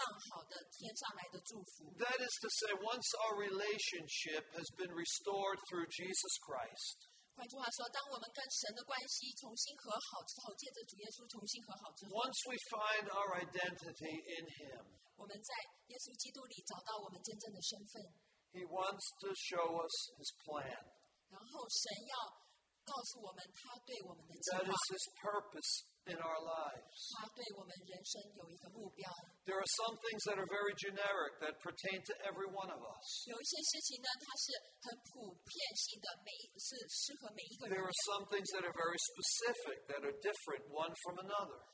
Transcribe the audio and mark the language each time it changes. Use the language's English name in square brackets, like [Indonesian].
[English] That is to say, once our relationship has been restored through Jesus Christ, [Chinese] 换句话说，当我们跟神的关系重新和好之后，借着主耶稣重新和好之后，Once [English] we find our identity in Him, [Chinese] 我们在耶稣基督里找到我们真正的身份。He [English] wants to show us His plan. [Chinese] 然后神要告诉我们他对我们的计划。 [English] That is His purpose in our lives. There are some things that are very generic that pertain to every one of us. There are some things that are very specific, that are different one from another.